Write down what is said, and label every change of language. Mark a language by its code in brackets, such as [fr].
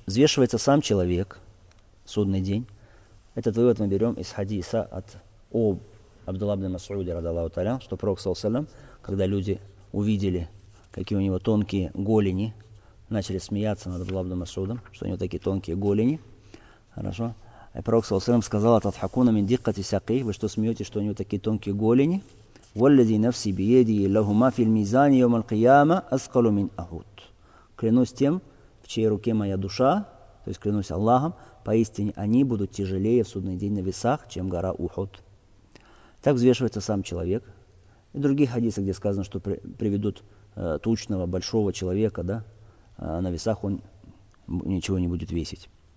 [ru] Взвешивается сам человек, судный день. Этот вывод мы берем из хадиса от Абдулла ибн Масуди, радиаллаху анху, что пророк, саллаллаху алейхи ва саллям, когда люди увидели, какие у него тонкие голени, начали смеяться над Абдулла ибн Масудом, что у него такие тонкие голени. Хорошо. И пророк, саллаллаху алейхи ва саллям, сказал, [ar] «Атадхакуна мин диккати сакий», [ru] вы что смеетесь, что у него такие тонкие голени? [ar] والذي نفسي بيدي له ما في الميزان يوم القيامة أثقل من أحد. [ru] Клянусь тем, в чьей руке моя душа, то есть клянусь Аллахом, поистине они будут тяжелее в судный день на весах, чем гора Ухуд. Так взвешивается сам человек. И другие хадисы, где сказано, что приведут тучного, большого человека, да, на весах он ничего не будет весить.